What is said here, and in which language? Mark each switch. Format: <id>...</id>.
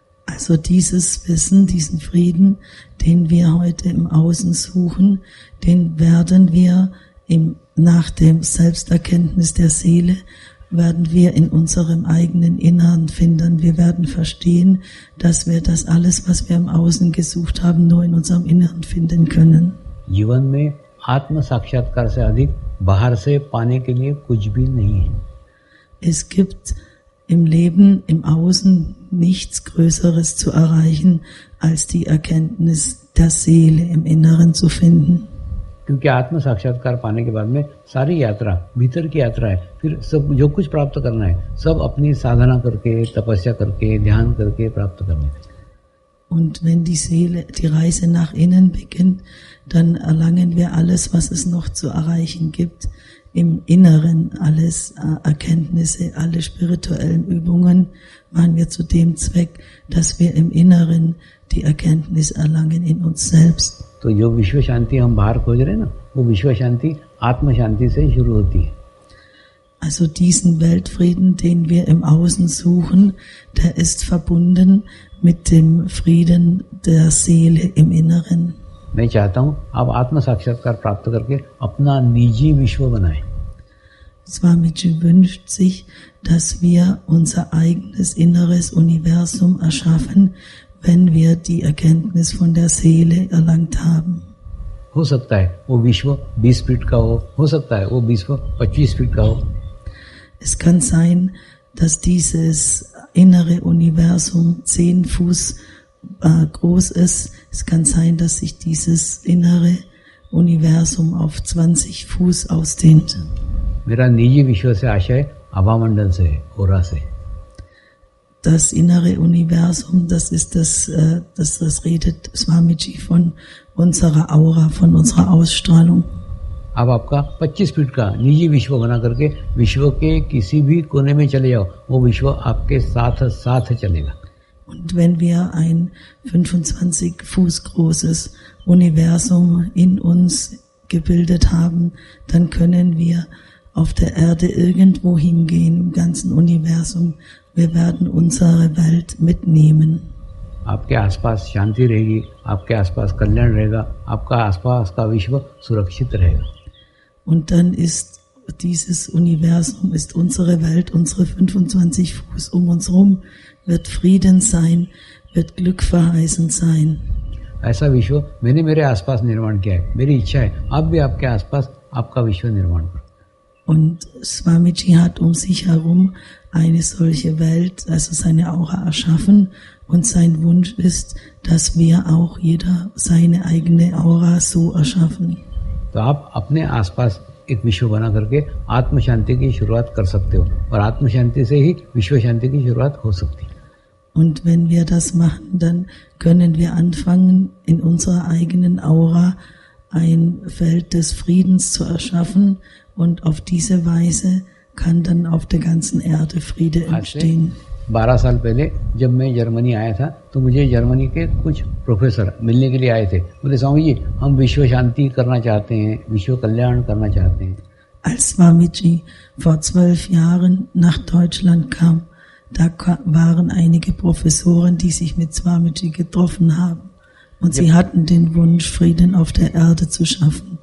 <de>Also dieses Wissen, diesen Frieden, den wir heute im Außen suchen, den werden wir im, nach dem Selbsterkenntnis der Seele, werden wir in unserem eigenen Innern finden. Wir werden verstehen, dass wir das alles, was wir im Außen gesucht haben, nur in unserem Inneren finden können.</de> <hi>जीवन में आत्म साक्षात्कार से अधिक बाहर से पाने के लिए कुछ भी नहीं है.</hi> <de>Es gibt im Leben, im Außen nichts Größeres zu erreichen, als die Erkenntnis der Seele im Inneren zu finden.</de> <hi>क्योंकि आत्म साक्षात्कार पाने के बाद में सारी यात्रा भीतर की यात्रा है. फिर सब जो कुछ प्राप्त करना है सब अपनी साधना करके, तपस्या करके, ध्यान करके प्राप्त करना है.</hi> <de>Und wenn die Seele die Reise nach innen beginnt, dann erlangen wir alles, was es noch zu erreichen gibt, im Inneren alles, Erkenntnisse, alle spirituellen Übungen machen wir zu dem Zweck, dass wir im Inneren die Erkenntnis erlangen in uns selbst.</de> <hi>तो जो विश्व शांति हम बाहर खोज रहे हैं ना, वो विश्व शांति आत्म शांति से शुरू होती है.</hi> <de>Also diesen Weltfrieden, den wir im Außen suchen, der ist verbunden mit dem Frieden der Seele im Inneren.</de> <hi>मैं चाहता हूँ आप आत्म साक्षात्कार प्राप्त करके अपना निजी विश्व बनाएं.</hi> <de>Swamiji wünscht sich, dass wir unser eigenes inneres Universum erschaffen, wenn wir die Erkenntnis von der Seele erlangt haben.</de> <hi>हो सकता है वो विश्व 20 फीट का हो सकता है वो विश्व 25 फीट का हो.</hi> <de>Es kann sein, dass dieses innere Universum 10 Fuß groß ist. Es kann sein, dass sich dieses innere Universum auf 20 Fuß ausdehnt.</de> <hi>Mera niji vishwa se aasha hai abhamandal se, ora se.</hi> <de>Das innere Universum, das ist das, das redet Swamiji von unserer Aura, von unserer Ausstrahlung.</de> <hi>अब आपका 25 feet का निजी विश्व बना करके विश्व के किसी भी कोने में चले जाओ, वो विश्व आपके साथ साथ चलेगा.</hi> <de>Und wenn wir ein 25 Fuß großes Universum in uns gebildet haben, dann können wir auf der Erde irgendwo hingehen im ganzen Universum. Wir werden unsere Welt mitnehmen.</de> <hi>आपके आसपास शांति रहेगी, आपके आसपास कल्याण रहेगा, आपका आसपास का विश्व सुरक्षित रहेगा.</hi> <de>Und dann ist dieses Universum ist unsere Welt, unsere 25 Fuß um uns herum, wird Frieden sein, wird Glück verheißend sein.</de> <hi>ऐसा विश्व मैंने मेरे आसपास निर्माण किया है मेरी इच्छा है आप भी आपके आसपास आपका विश्व निर्माण करो</hi> <de>und Swamiji hat um sich herum eine solche Welt also seine Aura erschaffen und sein Wunsch ist dass wir auch jeder seine eigene Aura so erschaffen</de> <hi>तो आप अपने आसपास एक विश्व बना करके आत्म शांति की शुरुआत कर सकते हो और आत्म शांति से ही विश्व शांति की शुरुआत हो सकती है</hi> <de>Und wenn wir das machen, dann können wir anfangen, in unserer eigenen Aura ein Feld des Friedens zu erschaffen. Und auf diese Weise kann dann auf der ganzen Erde Friede entstehen.</de> <hi>12 साल पहले जब मैं Germany आया था तो मुझे Germany के कुछ प्रोफेसर मिलने के लिए आए थे बोले स्वामी जी हम विश्व शांति करना चाहते हैं विश्व कल्याण करना चाहते हैं</hi> <de>Als Swamiji vor 12 Jahren nach Deutschland kam, Da waren einige Professoren, die sich mit Swamiji getroffen haben. Und sie hatten den Wunsch, Frieden auf der Erde zu schaffen.</de>